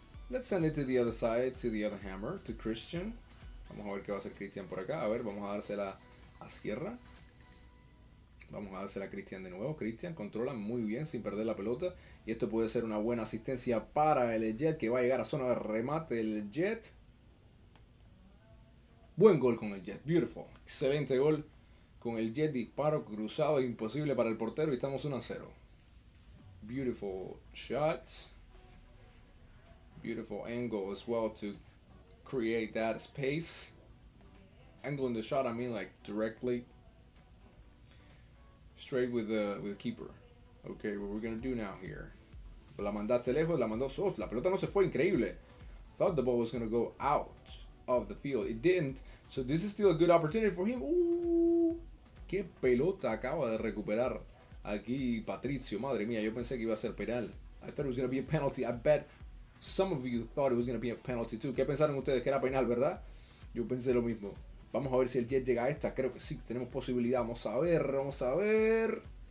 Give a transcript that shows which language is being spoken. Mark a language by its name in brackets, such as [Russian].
[English] Let's send it to the other side, to the other hammer, to Christian. [Spanish] Vamos a ver qué va a hacer Christian por acá. A ver, vamos a dársela a Sierra. Vamos a dársela a Christian de nuevo. Christian controla muy bien sin perder la pelota. Y esto puede ser una buena asistencia para el Jet, que va a llegar a zona de remate el Jet. Buen gol con el Jet. [English] Beautiful. [Spanish] Excelente gol con el Jet. Disparo cruzado. Imposible para el portero. Y estamos 1-0. [English] Beautiful shots. Beautiful angle as well to create that space. Angle in the shot, I mean like directly. Straight with the keeper. Okay, what we're gonna do now here? [Spanish] La mandaste lejos, la mandó sos. La pelota no se fue, increíble. [English] Thought the ball was gonna go out of the field. It didn't. So this is still a good opportunity for him. [Spanish] Qué pelota acaba de recuperar aquí Patricio. Madre mía, yo pensé que iba a ser penal. [English] I thought it was gonna be a penalty. I bet some of you thought it was gonna be a penalty too. [Spanish] ¿Qué pensaron ustedes? Que era penal, ¿verdad? Yo pensé lo mismo. Vamos a ver si el Jet llega a esta. Creo que sí, tenemos posibilidad. Vamos a ver.